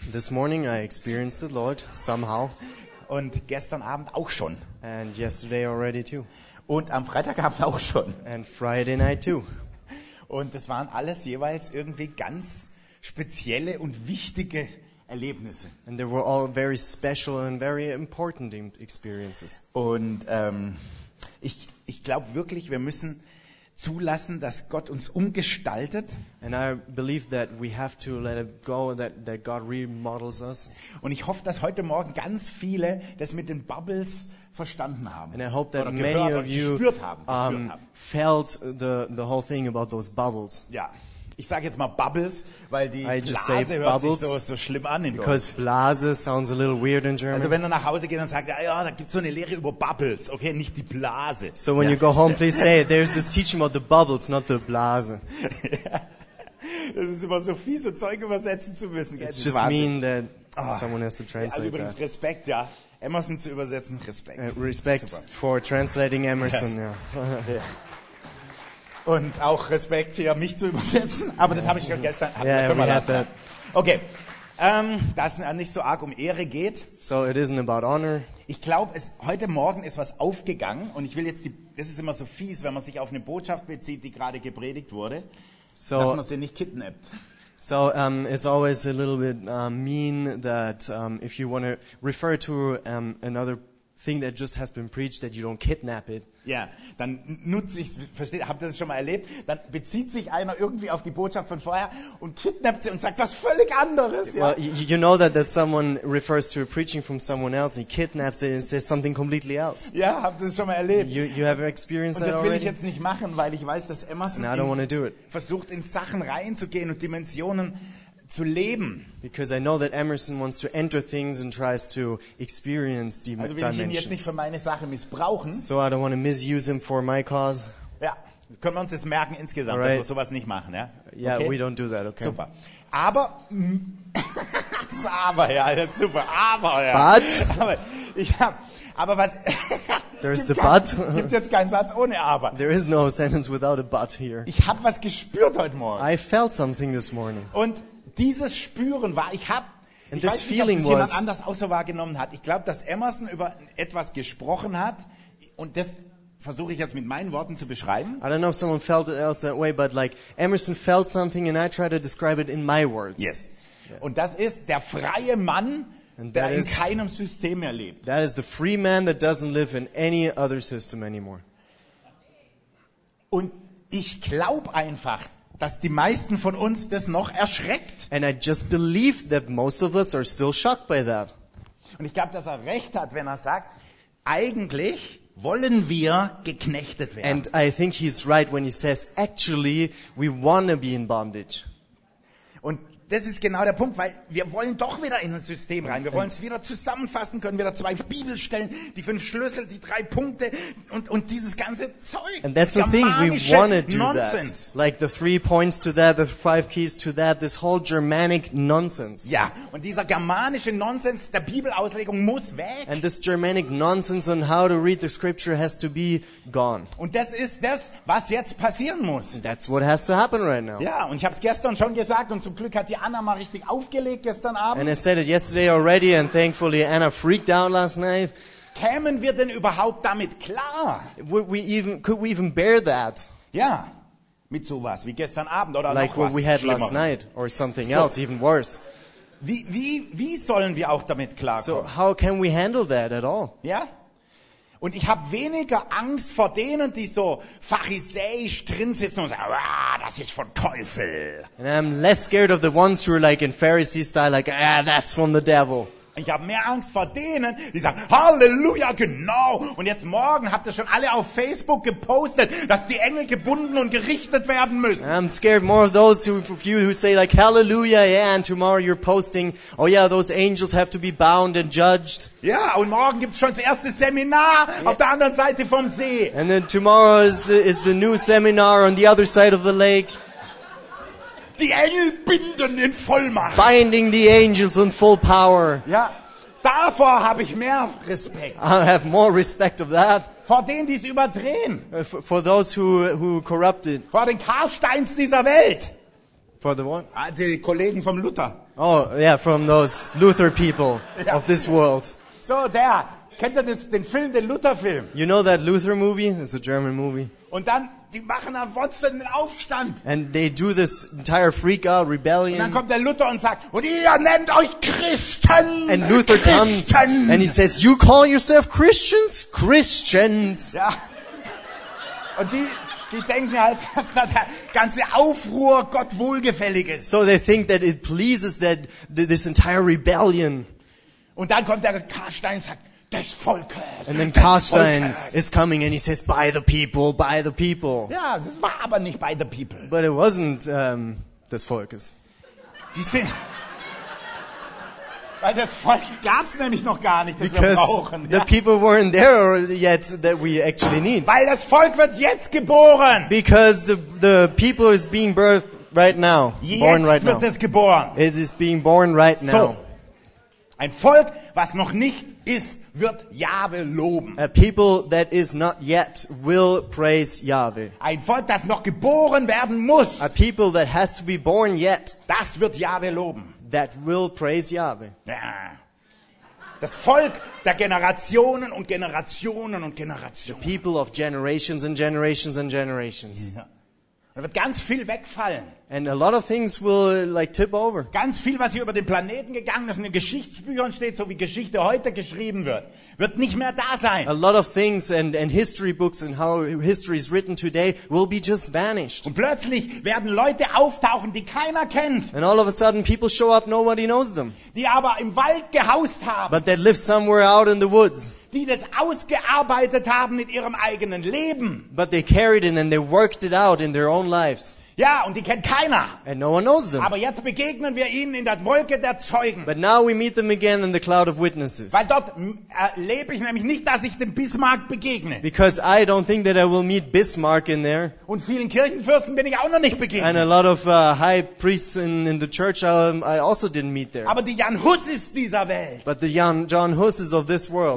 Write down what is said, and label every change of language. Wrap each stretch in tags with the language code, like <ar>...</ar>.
<en>This morning I experienced the Lord somehow.</en> <de>Und gestern Abend auch schon.</de> <en>And yesterday already too.</en> <de>Und am Freitagabend auch schon.</de> <en>And Friday night too.</en> <de>Und das waren alles jeweils irgendwie ganz spezielle und wichtige Erlebnisse.</de> <en>And they were all very special and very important experiences.</en> <de>Und ich glaube wirklich, wir müssen zulassen, dass Gott uns umgestaltet.</de> <en>And I believe that we have to let it go, that God remodels us.</en> <de>Und ich hoffe, dass heute Morgen ganz viele das mit den Bubbles verstanden haben.</de> <en>And I hope that many of you felt the whole thing about those bubbles.</en> <de>Ja. Ich sage jetzt mal Bubbles, weil die Blase hört sich so schlimm an in Deutsch.</de> <en>Because Blase sounds a little weird in German.</en> <de>Also wenn du nach Hause gehst und sagst, ja, da gibt's so eine Lehre über Bubbles, okay, nicht die Blase.</de> <en>So when</en> <de>ja.</de> <en>you go home, please say, there's this teaching about the bubbles, not the Blase.</en> <de>Das ist immer so fies, so Zeug übersetzen zu müssen.</de> <en>It's just mean that someone has to translate</en> <de>also übrigens</de> <en>that.</en> <de>Respekt, ja. Emerson zu übersetzen, Respekt.</de> <en>Respect super. For translating Emerson, ja.</en> <de>Und auch Respekt hier, mich zu übersetzen. Aber das habe ich schon gestern. Okay. Da es nicht so arg um Ehre geht.</de> <en>So it isn't about honor.</en> <de>Ich glaube, heute Morgen ist was aufgegangen. Und ich will jetzt, das ist immer so fies, wenn man sich auf eine Botschaft bezieht, die gerade gepredigt wurde. So, dass man sie nicht kidnappt.</de> <en>So it's always a little bit mean that if you want to refer to another thing that just has been preached, that you don't kidnap it.</en> <de>Ja, yeah, dann nutze ich es, habt ihr das schon mal erlebt? Dann bezieht sich einer irgendwie auf die Botschaft von vorher und kidnappt sie und sagt was völlig anderes.</de> <en>Well, you know that someone refers to a preaching from someone else and he kidnaps it and says something completely else.</en> <de>Ja, yeah, habt ihr das schon mal erlebt?</de> <en>You have experienced that already?</en> <de>Und das will ich jetzt nicht machen, weil ich weiß, dass Emerson versucht in Sachen reinzugehen und Dimensionen zu leben.</de> <en>Because I know that Emerson wants to enter things and tries to experience the dimensions.</en> <de>Also will ich ihn jetzt nicht für meine Sache missbrauchen.</de> <en>So I don't want to misuse him for my cause.</en> <de>Ja, können wir uns das merken insgesamt, right. Dass wir sowas nicht machen, ja?</de> <en>Yeah, okay. We don't do that, okay.</en> <de>Super. Aber, aber ja, das ist super, aber ja.</de> <en>But?</en> <de>Aber was,</de> <en>there's the but.</en> <de>Gibt jetzt keinen Satz ohne aber.</de> <en>There is no sentence without a but here.</en> <de>Ich habe was gespürt heute Morgen.</de> <en>I felt something this morning.</en> <de>Und dieses Spüren war, ich weiß nicht, ob das jemand anders auch so wahrgenommen hat. Ich glaube, dass Emerson über etwas gesprochen hat und das versuche ich jetzt mit meinen Worten zu beschreiben.</de> <en>I don't know if someone felt it else that way, but like Emerson felt something and I try to describe it in my words. Yes. Yeah.</en> <de>Und das ist der freie Mann, der in keinem System mehr lebt.</de> <en>That is the free man that doesn't live in any other system anymore.</en> <de>Und ich glaube einfach, dass die meisten von uns das noch erschreckt.</de> <en>And I just believe that most of us are still shocked by that.</en> <de>Und ich glaube, dass er recht hat, wenn er sagt, eigentlich wollen wir geknechtet werden.</de> <en>And I think he's right when he says, actually, we want to be in bondage.</en> <de>Und das ist genau der Punkt, weil wir wollen doch wieder in ein System rein. Wir wollen es wieder zusammenfassen können, wieder zwei Bibelstellen, die fünf Schlüssel, die drei Punkte und dieses ganze Zeug.</de> <en>And that's the thing, we want to do that. Like the three points to that, the five keys to that, this whole Germanic nonsense.</en> <de>Ja, und dieser germanische Nonsens der Bibelauslegung muss weg.</de> <en>And this Germanic nonsense on how to read the scripture has to be gone.</en> <de>Und das ist das, was jetzt passieren muss.</de> <en>And that's what has to happen right now.</en> <de>Ja, und ich habe es gestern schon gesagt und zum Glück hat die Anna mal richtig aufgelegt gestern Abend.</de> <en>And I said it yesterday already and thankfully Anna freaked out last night.</en> <de>Kämen wir denn überhaupt damit klar?</de> <en>Could we even bear that?</en> <de>Ja, mit sowas wie gestern Abend oder</de> <en>like</en> <de>noch was</de> <en>like what we had last night or something so, else, even worse.</en> <de>Wie sollen wir auch damit klarkommen?</de> <en>So how can we handle that at all?</en> <de>Ja. Und ich habe weniger Angst vor denen, die so pharisäisch drin sitzen und sagen, ah, das ist von Teufel.</de> <en>And I'm less scared of the ones who are like in Pharisee style, like, ah, that's from the devil.</en> <de>Ich habe mehr Angst vor denen, die sagen, Halleluja, genau. Und jetzt morgen habt ihr schon alle auf Facebook gepostet, dass die Engel gebunden und gerichtet werden müssen.</de> <en>I'm scared more of those of you who say like, Halleluja, yeah, and tomorrow you're posting, oh yeah, those angels have to be bound and judged.</en> <de>Ja, und morgen gibt's schon das erste Seminar auf der anderen Seite vom See.</de> <en>And then tomorrow is the new seminar on the other side of the lake.</en> <de>die Engel binden in Vollmacht.</de> <en>Binding the angels in full power.</en> <de>Ja, davor habe ich mehr Respekt.</de> <en>I have more respect of that.</en> <de>Vor denen, die es überdrehen.</de> <en>For those who corrupt it.</en> <de>Vor den Karlsteins dieser Welt.</de> <en>For the one?</en> <de>Die Kollegen vom Luther.</de> <en>Oh, yeah, from those Luther people of this world.</en> <de>So, der. Kennt ihr den Film, den Luther-Film?</de> <en>You know that Luther movie? It's a German movie.</en> <de>Und dann, die machen am Wotzen einen Aufstand.</de> <en>And they do this entire freak out rebellion.</en> <de>Und dann kommt der Luther und sagt, und ihr nennt euch Christen!</de> <en>And Luther comes and he says, you call yourself Christians? Christians!</en> <de>Ja. Und die denken halt, dass da der ganze Aufruhr Gott wohlgefällig ist.</de> <en>So they think that it pleases that this entire rebellion.</en> <de>Und dann kommt der Karlstein und sagt, des Volkes.</de> <en>And then Karlstein is coming and he says, by the people, by the people.</en> <de>Ja, das war aber nicht</de> <en>by the people. But it wasn't</en> <de>des Volkes. Weil das Volk gab's nämlich noch gar nicht, das</de> <en>Because</en> <de>wir brauchen.</de> <en>Because the people weren't there yet that we actually need.</en> <de>Weil das Volk wird jetzt geboren.</de> <en>Because the people is being birthed right now.</en> <de>Jetzt</de> <en>born right</en> <de>wird</de> <en>now.</en> <de>Es geboren.</de> <en>It is being born right now.</en> <de>Ein Volk, was noch nicht ist, wird Jahwe loben.</de> <en>A people that is not yet will praise Yahweh.</en> <de>Ein Volk, das noch geboren werden muss.</de> <en>A people that has to be born yet.</en> <de>Das wird Jahwe loben.</de> <en>That will praise Yahweh.</en> <de>Ja. Das Volk der Generationen und Generationen und Generationen.</de> <en>The people of generations and generations and generations.</en> <de>Ja. Da wird ganz viel wegfallen.</de> <en>And a lot of things will like tip over.</en> <de>Ganz viel, was hier über den Planeten gegangen ist, in den Geschichtsbüchern steht, so wie Geschichte heute geschrieben wird, wird nicht mehr da sein.</de> <en>A lot of things and history books and how history is written today will be just vanished.</en> <de>Und plötzlich werden Leute auftauchen, die keiner kennt.</de> <en>And all of a sudden people show up, nobody knows them.</en> <de>Die aber im Wald gehaust haben.</de> <en>But they live somewhere out in the woods.</en> <de>Die das ausgearbeitet haben mit ihrem eigenen Leben.</de> <en>But they carried it and they worked it out in their own lives.</en> <de>Ja, und die kennt keiner.</de> <en>And no one knows them.</en> <de>Aber jetzt begegnen wir ihnen in der Wolke der Zeugen.</de> <en>But now we meet them again in the cloud of witnesses.</en> <de>Weil dort erlebe ich nämlich nicht, dass ich dem Bismarck begegne.</de> <en>Because I don't think that I will meet Bismarck in there.</en> <de>Und vielen Kirchenfürsten bin ich auch noch nicht begegnet.</de> <en>And a lot of high priests in the church I also didn't meet there.</en> <de>Aber die Jan Hus ist dieser Welt.</de> <en>But the John Hus is of this world.</en>